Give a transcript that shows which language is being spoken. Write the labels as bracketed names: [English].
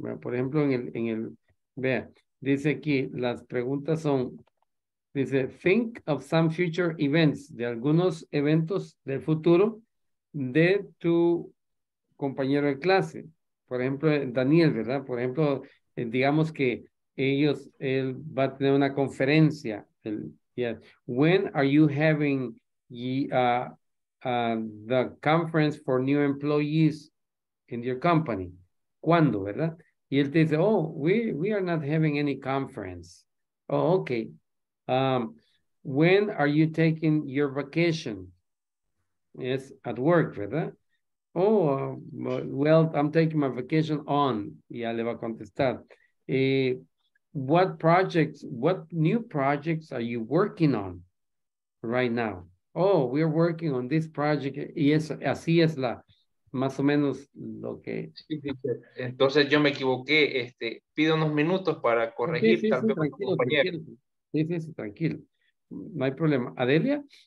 [Spanish] Por ejemplo, en el vea, dice aquí, las preguntas son, dice, [English] think of some future events, [Spanish] de algunos eventos del futuro de tu compañero de clase. Por ejemplo, Daniel, ¿verdad? Por ejemplo, digamos que él va a tener una conferencia. [English] When are you having the conference for new employees in your company? [Spanish] ¿Cuándo, verdad? Y él te dice, [English] oh, we are not having any conference. Oh, okay. When are you taking your vacation? Yes, at work, verdad? Oh, well, I'm taking my vacation on. [Spanish] Ya le va a contestar. [English] What new projects are you working on right now? Oh, we are working on this project. [Spanish] Y eso, así es la, más o menos lo que. Sí, entonces yo me equivoqué. Pido unos minutos para corregir, okay, sí, tal vez, sí, compañero. Sí, sí, tranquilo. No hay problema. ¿Adelia?